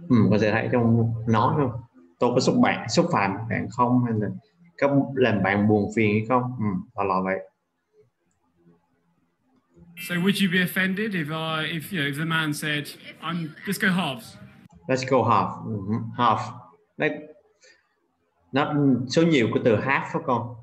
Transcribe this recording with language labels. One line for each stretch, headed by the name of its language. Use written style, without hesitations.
Vietnamese: Có thể thấy trong nói không? Tôi có xúc phạm bạn không, hay là có làm bạn buồn phiền hay không? Là vậy.
English: So would you be offended if the man said, let's go halves. Let's go half. Half.
Vietnamese: Nó số nhiều của từ half phải không?